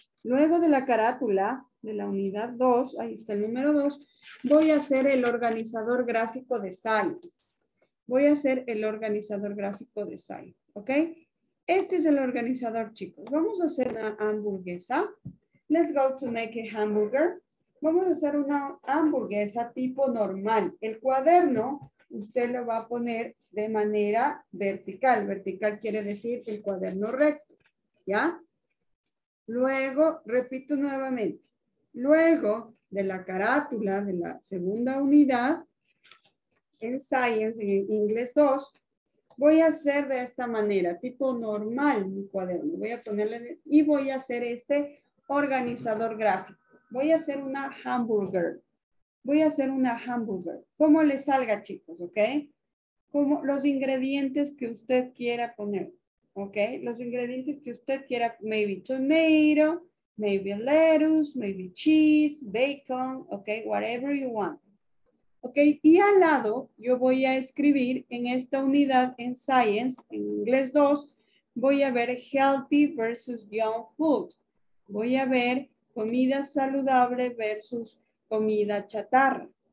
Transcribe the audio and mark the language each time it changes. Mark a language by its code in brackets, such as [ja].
[es] Luego de la carátula de la unidad 2, ahí está el número 2, voy a hacer el organizador gráfico de Science. Voy a hacer el organizador gráfico de Science, ¿ok? Este es el organizador, chicos. Vamos a hacer una hamburguesa. [en] Let's go to make a hamburger. [es] Vamos a hacer una hamburguesa tipo normal. El cuaderno usted lo va a poner de manera vertical. Vertical quiere decir el cuaderno recto, ¿ya? Luego, repito nuevamente. Luego de la carátula de la segunda unidad, en Science, en inglés 2, voy a hacer de esta manera, tipo normal mi cuaderno. Voy a ponerle y voy a hacer este organizador gráfico. Voy a hacer una hamburger. Voy a hacer una hamburger. ¿Cómo le salga, chicos? ¿Ok? Como los ingredientes que usted quiera poner. ¿Ok? Los ingredientes que usted quiera. [en] Maybe tomato, maybe lettuce, maybe cheese, bacon. ¿Ok? Whatever you want. [es] Ok, y al lado yo voy a escribir en esta unidad en Science, en inglés 2, voy a ver [en] healthy versus junk food. [es] Voy a ver comida saludable versus comida chatarra.